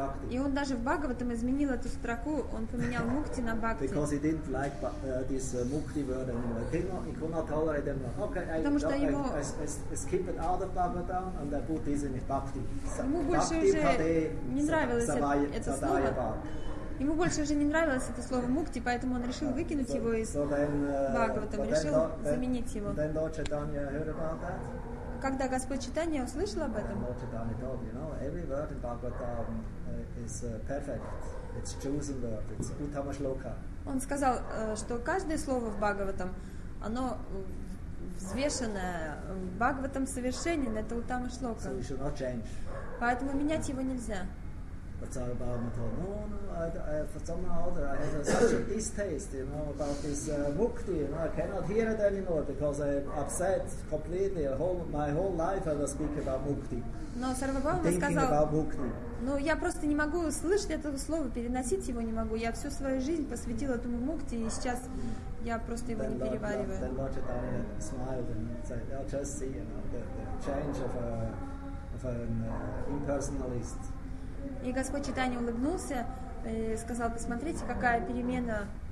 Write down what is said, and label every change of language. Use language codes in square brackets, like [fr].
[ru] И он даже в Бхагаватам изменил эту строку, он поменял мукти на бхакти. [en] Because he didn't like this mukti word anymore. He could not tolerate them. Okay, I skip it out of Bhagavatam and I put this in bhakti. [ru] Ему больше уже не нравилось это слово. Ему больше уже не нравилось это слово мукти, поэтому он решил выкинуть его из Бхагаватам, решил заменить его. [en] Then Lord Chaitanya heard about that. [ru] Когда Господь Чайтанья услышал об этом, [en] Lord Chaitanya told, you know, every word in Bhagavatam is perfect. It's chosen word. It's Uttama Shloka. [ru] Он сказал, что каждое слово в Бхагаватам, оно взвешенное. Бхагаватам совершенен, это Уттама Шлока. [en] So we should not change. [ru] Поэтому менять его нельзя. [en] Tsar Bauman told, no, for somehow or other, I have such a distaste, you know, about this mukti, you know, I cannot hear it anymore because I'm upset completely. My whole life I was speaking about mukti. [ru] Но Сарвабхаума сказал, ну, я просто не могу слышать это слово, переносить его не могу. Я всю свою жизнь посвятил этому мукти, и сейчас я просто его не перевариваю. [en] Then Lord Chaitanya smiled and said, I'll just see, you know, the change of an impersonalist. [ru] И Господь Читания улыбнулся и сказал, посмотрите, какая перемена.